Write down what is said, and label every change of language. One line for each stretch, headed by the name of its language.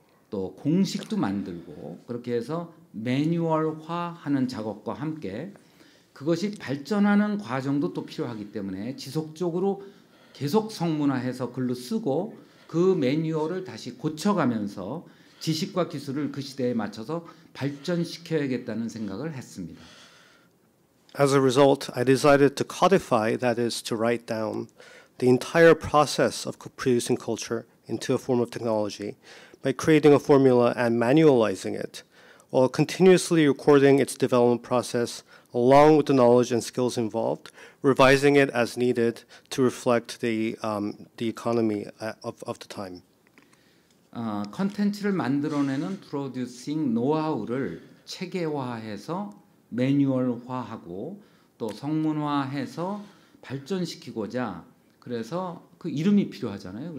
Korean: 또 공식도 만들고 그렇게 해서 매뉴얼화하는 작업과 함께 그것이 발전하는 과정도 또 필요하기 때문에 지속적으로 계속 성문화해서 글로 쓰고 그 매뉴얼을 다시 고쳐가면서 지식과 기술을 그 시대에 맞춰서 발전시켜야겠다는 생각을 했습니다.
English: As a result, I decided to codify, that is, to write down, the entire process of producing culture into a form of technology by creating a formula and manualizing it, while continuously recording its development process along with the knowledge and skills involved, revising it as needed to reflect the economy of the time.
Korean: 콘텐츠를 만들어내는 프로듀싱 노하우를 체계화해서 매뉴얼화하고 또 성문화해서 발전시키고자 그래서 그 이름이 필요하잖아요.